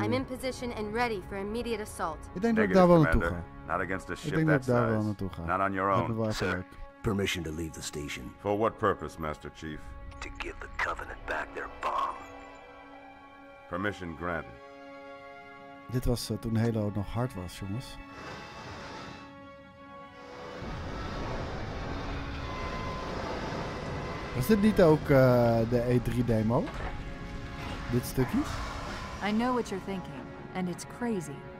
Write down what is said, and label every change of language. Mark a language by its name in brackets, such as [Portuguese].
[English] I'm in position and ready for immediate assault. [Dutch] Ik denk dat ik daar wel naartoe ga. [English] Not against a ship that size. [Dutch] Ik denk dat ik daar wel naartoe ga. [English] Not on your own. Sir, permission to leave the station. For what purpose, Master Chief? To give the Covenant back their bomb. Permission granted. [Dutch] Dit was toen Halo nog hard was, jongens. Was dit niet ook de E3 demo? Dit stukje? [English] I know what you're thinking, and it's crazy.